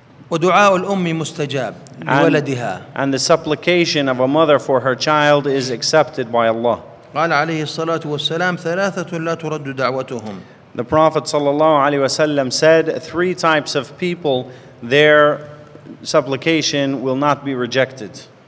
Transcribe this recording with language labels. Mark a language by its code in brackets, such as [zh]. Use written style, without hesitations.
[ar] ودعاء الأم مستجاب لولدها. [en] And the supplication of a mother for her child is accepted by Allah. [ar] قال عليه الصلاة والسلام ثلاثة لا ترد دعوتهم. [en] The Prophet [ar] صلى الله عليه وسلم [en] said three types of people there supplication will not be rejected.